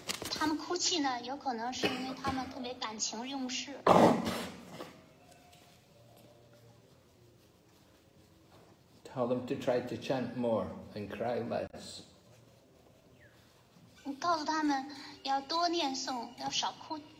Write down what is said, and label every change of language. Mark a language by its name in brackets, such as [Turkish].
[Chinese] 他们哭泣呢，有可能是因为他们特别感情用事。 [English] Tell them to try to chant more and cry less. [Chinese] 告诉他们要多念诵，要少哭。